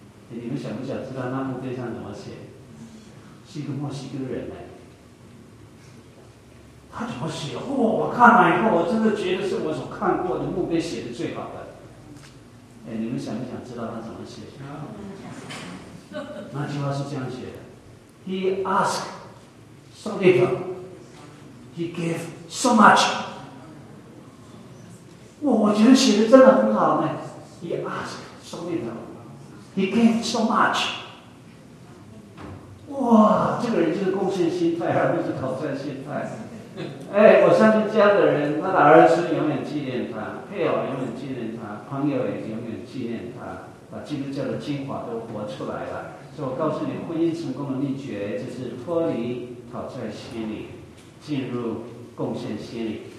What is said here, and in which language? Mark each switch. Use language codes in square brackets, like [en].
[zh] 你们想不想知道那墓碑上怎么写？是一个墨西哥人呢，他怎么写？哦，我看了以后，我真的觉得是我所看过的墓碑写的最好的。哎，你们想不想知道他怎么写？那句话是这样写的 [en] ：He asked so little, he gave so much。 [zh] 哇，我觉得写的真的很好呢。 [en] He asked so little, he gave so much。 [zh] 哇，这个人就是贡献心态，而不是讨债心态。哎，我相信家的人，他的儿子永远纪念他，配偶永远纪念他，朋友也永远纪念他，把基督教的精华都活出来了。所以我告诉你，婚姻成功的秘诀就是脱离讨债心理，进入贡献心理。